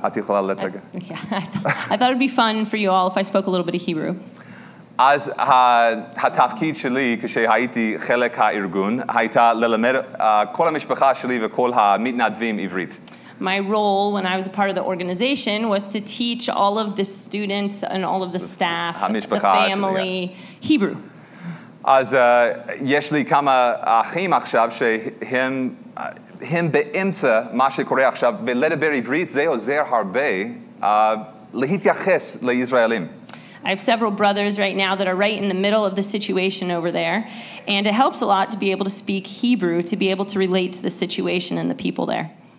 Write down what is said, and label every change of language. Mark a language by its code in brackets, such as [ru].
[en] I thought it'd be fun for you all if I spoke a little bit of Hebrew. [he] אז התפקיד שלי כשהייתי חלק הארגון הייתה ללמד כל המשפחה שלי וכל המתנדבים עברית. [en] My role when I was a part of the organization was to teach all of the students and all of the staff, [he] המשפחה [en] the family, [he] שלי, yeah. [en] Hebrew. [he] אז יש לי כמה אחים עכשיו שהם באמצע מה שקורה עכשיו, ולדבר עברית זה עוזר הרבה להתייחס לישראלים. [en] I have several brothers right now that are right in the middle of the situation over there, and it helps a lot to be able to speak Hebrew, to be able to relate to the situation and the people there.